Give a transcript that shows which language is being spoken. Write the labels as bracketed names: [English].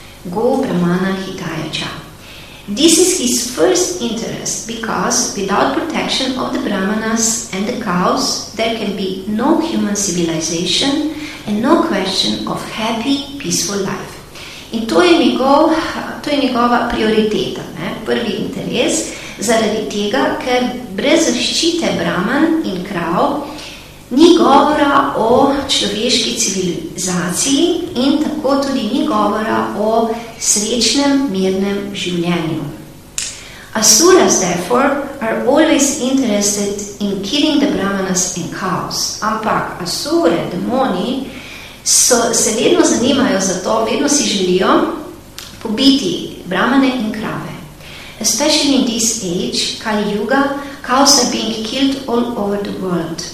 [Sanskrit] Go brahmana hitayacha. [English] This is his first interest because without protection of the brahmanas and the cows, there can be no human civilization and no question of happy, peaceful life. [Slovenian] In to je njegova prioriteta, ne? Prvi interes, zaradi tega, ker brez zaščite brahman in krav ni govora o človeški civilizaciji in tako tudi ni govora o srečnem, mirnem življenju. [English] Asuras, therefore, are always interested in killing the brahmanas and cows. [Slovenian] Ampak asure, demoni, se vedno zanimajo za to, vedno si želijo pobiti brahmane in krave. [English] Especially in this age, Kali Yuga, cows are being killed all over the world.